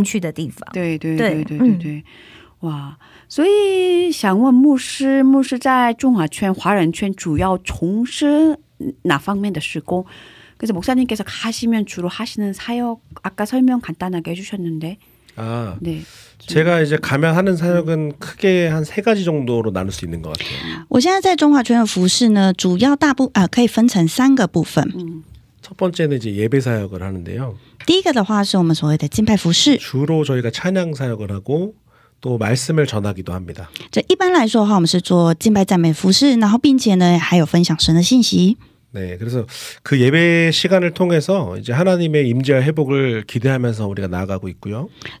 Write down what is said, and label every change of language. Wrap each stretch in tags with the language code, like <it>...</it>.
<zh>也是本来是应该很需要的一个事工吧，可是很久以前的话，没有人重视，所以有点可以说是这样，可以这样说吗？那个被人忽视的一个事工。嗯，应该对台湾应该有很多的，就是这样子，应该不止台湾啦，我相信有很多就是国家，都是比较需要福音进去的地方。对对对对对，哇。所以想问牧师，牧师在中华圈华人圈主要从事哪方面的事工？</zh> <ko>그래서 목사님께서 가시면 주로 하시는 사역 아까 설명 간단하게 해주셨는데. 아, 네. 제가 이제 가면 하는 사역은 크게 한 세 가지 정도로 나눌 수 있는 것 같아요.</ko> <zh>我现在在中华圈的服事呢，主要大部可以分成三个部分。</zh> <ko>첫 번째는 이제 예배 사역을 하는데요.</ko> <zh>第一个的话是我们所谓的敬拜服事。</zh> <ko>주로 저희가 찬양 사역을 하고. 또 말씀을 전하기도 합니다.</ko> <zh>자, 一般来说的话，我们是做敬拜赞美服事，然后并且呢，还有分享神的信息。</zh> <ko>네, 그래서 그 예배 시간을 통해서 이제 하나님의 임재와 회복을 기대하면서 우리가 나아가고 있고요.</ko>